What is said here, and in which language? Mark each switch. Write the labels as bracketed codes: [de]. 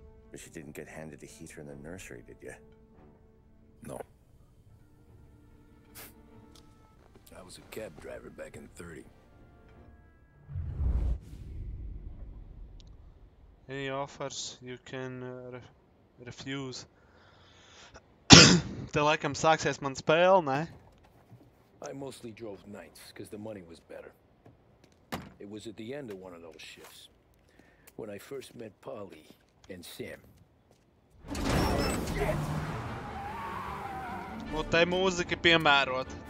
[en] But you didn't get handed a heater in the nursery, did you? No. I was a cab driver back in 30. Any offers you can refuse. [lv] Te laikam sāksies man spēle, ne? [en] I mostly drove nights, because the money was better. It was at the end of one of those shifts. When I first met Polly and Sam. [lv] Nu te mūzika piemērot.